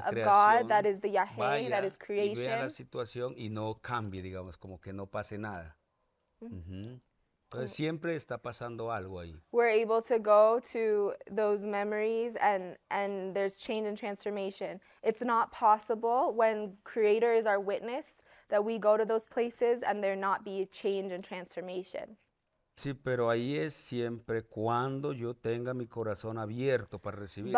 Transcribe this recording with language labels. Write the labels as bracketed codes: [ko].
[en] of God, that is the yahe, that is creation. [es] Y vea la situación y no cambie, digamos, como que no pase nada. Mm-hmm. Mm-hmm. Entonces, siempre está pasando algo ahí. [en] We're able to go to those memories and there's change and transformation. It's not possible when creator is our witness that we go to those places and there not be a change and transformation. [es] Sí, pero ahí es siempre cuando yo tenga mi corazón abierto para recibir